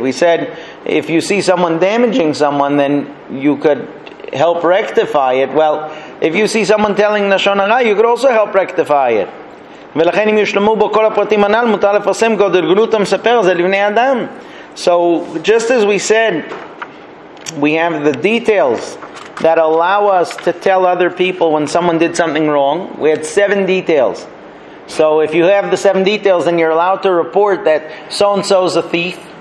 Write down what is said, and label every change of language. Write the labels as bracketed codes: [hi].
[en] We said, if you see someone damaging someone, then you could help rectify it. Well, if you see someone telling Lashon Hara, you could also help rectify it. [he] ולכן אם ישלמו בו כל הפרטים הנ"ל מותר לפרסם גודל גלות המספר זה לבני אדם. [en] So just as we said, we have the details that allow us to tell other people when someone did something wrong. We had 7 details. So if you have the 7 details, then you're allowed to report that so-and-so is a thief.